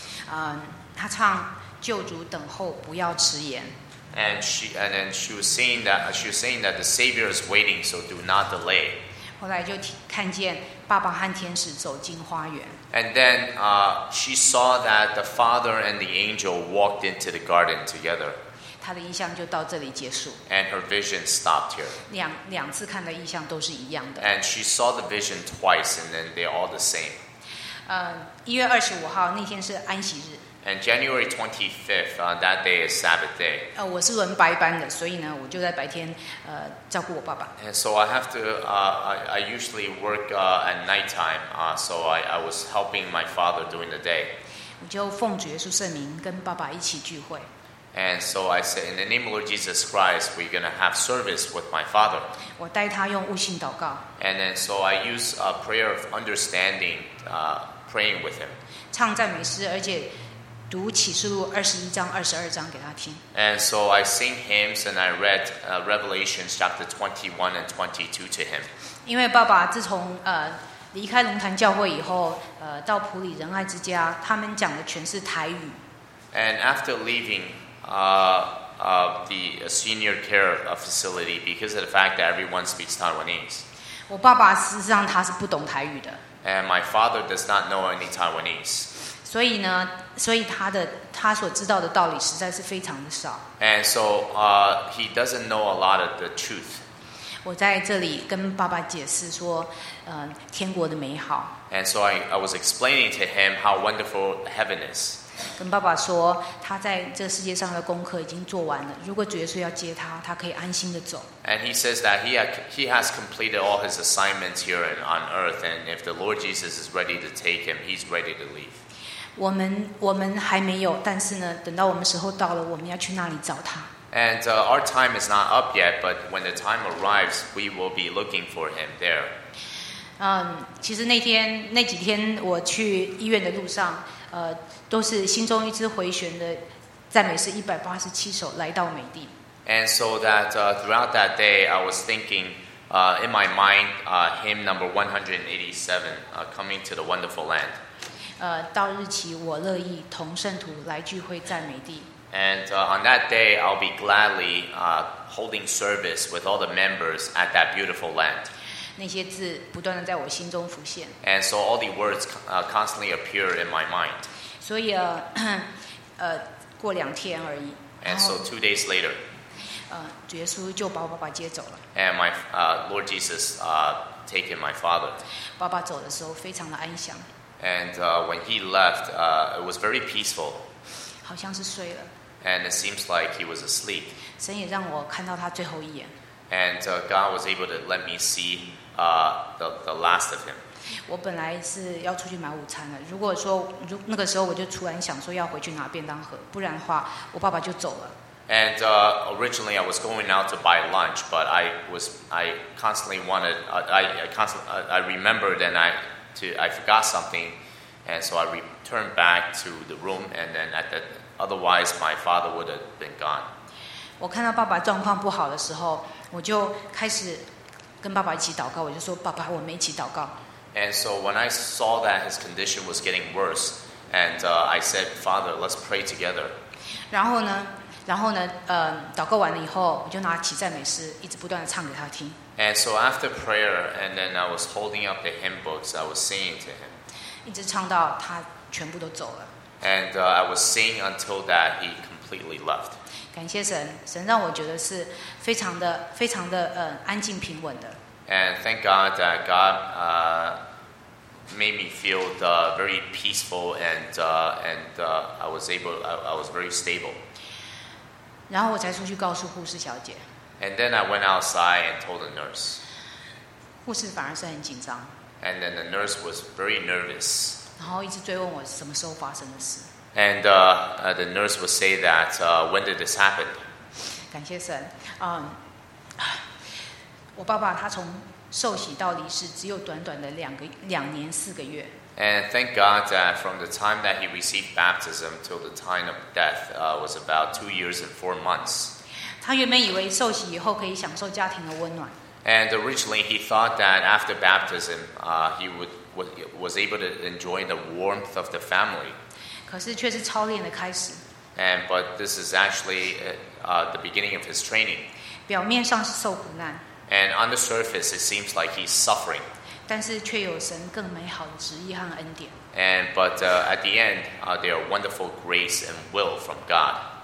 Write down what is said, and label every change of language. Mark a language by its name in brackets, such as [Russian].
[Chinese] 他唱救主等候不要迟延。 [English] And she was saying that the Savior is waiting, so do not delay. [Chinese] 后来就看见爸爸和天使走进花园。 [English] And then, she saw that the Father and the angel walked into the garden together. [Chinese] 她的异象就到这里结束。 [English] And her vision stopped here. [Chinese] 两次看的异象都是一样的。 [English] And she saw the vision twice, and then they're all the same. [Chinese] 1月25号那天是安息日。 [English] And January 25th, that day is Sabbath day. [Chinese] 我是轮白班的，所以呢，我就在白天照顾我爸爸。 [English] And so I have to, I usually work at nighttime, so I was helping my father during the day. [Chinese] 我就奉主耶稣圣名跟爸爸一起聚会。 [English] And so I said, in the name of Lord Jesus Christ, we're going to have service with my father. [Chinese] 我带他用悟性祷告。 [English] And then so I use a prayer of understanding, praying with him. [Chinese] 唱赞美诗，而且读启示录21章、22章给他听。 [English] And so I sing hymns and I read Revelations chapter 21 and 22 to him. [Chinese] 因为爸爸自从离开龙潭教会以后，到普里仁爱之家，他们讲的全是台语。 [English] And after leaving the senior care facility, because of the fact that everyone speaks Taiwanese. [Chinese] 我爸爸事实上他是不懂台语的。 [English] And my father does not know any Taiwanese. [Chinese] 所以呢，所以他所知道的道理实在是非常的少。 [English] And so, he doesn't know a lot of the truth. [Chinese] 我在这里跟爸爸解释说，天国的美好。 [English] And so I was explaining to him how wonderful heaven is. [Chinese] 跟爸爸说，他在这世界上的功课已经做完了。如果主耶稣要接他，他可以安心的走。 [English] And he says that he has completed all his assignments here on earth, and if the Lord Jesus is ready to take him, he's ready to leave. [Chinese] 我们还没有，但是呢，等到我们时候到了，我们要去那里找他。 [English] And our time is not up yet, but when the time arrives, we will be looking for him there. [Chinese] 其实那几天我去医院的路上，都是心中一直回旋的赞美诗187首来到美地。 [English] And so that throughout that day, I was thinking, in my mind, hymn number 187, coming to the wonderful land. [Chinese] 到日期我乐意同圣徒来聚会赞美地。 [English] And on that day, I'll be gladly holding service with all the members at that beautiful land. [Chinese] 那些字不断地在我心中浮现。 [English] And so all the words constantly appear in my mind. [Chinese] 所以过两天而已。 [English] And so 2 days later, [Chinese] 主耶稣就把我爸爸接走了。 [English] And my Lord Jesus taken my father. [Chinese] 爸爸走的时候非常的安详。 [English] And when he left, it was very peaceful. [Chinese] 好像是睡了。 [English] And it seems like he was asleep. [Chinese] 神也让我看到他最后一眼。 [English] And God was able to let me see the last of him. [Chinese] 我本来是要出去买午餐的。如果说那个时候我就突然想说要回去拿便当盒，不然的话我爸爸就走了。 [English] And originally I was going out to buy lunch, but I forgot something, and so I returned back to the room, and then at that, otherwise my father would have been gone. [Chinese] 我看到爸爸状况不好的时候，我就开始跟爸爸一起祷告。我就说：“爸爸，我们一起祷告。” [English] And so when I saw that his condition was getting worse, and I said, "Father, let's pray together." [Chinese] 然后呢，祷告完了以后，我就拿起赞美诗，一直不断的唱给他听。 [English] And so after prayer, and then I was holding up the hymn books, I was singing to him. [Chinese] 一直唱到他全部都走了。 [English] And I was singing until that he completely left. [Chinese] 感谢神，神让我觉得是非常的、非常的安静平稳的。 [English] And thank God that God made me feel very peaceful, I was very stable. [Chinese] 然后我才出去告诉护士小姐。 [English] And then I went outside and told the nurse. [Chinese] 护士反而是很紧张。 [English] And then the nurse was very nervous. [Chinese] 然后一直追问我什么时候发生的事。 [English] And the nurse would say that, when did this happen? [Chinese] 感谢神。我爸爸他从受洗到离世只有短短的2年4个月。 [English] And thank God that from the time that he received baptism till the time of death was about 2 years and 4 months. [Chinese] 他原本以为受洗以后可以享受家庭的温暖。 [English] And originally he thought that after baptism, he was able to enjoy the warmth of the family. [Chinese] 可是却是操练的开始。 [English] And but this is actually the beginning of his training. [Chinese] 表面上是受苦难。 [English] And on the surface, it seems like he's suffering. [Chinese] 但是却有神更美好的旨意和恩典。 [English] And but at the end, there are wonderful grace and will from God.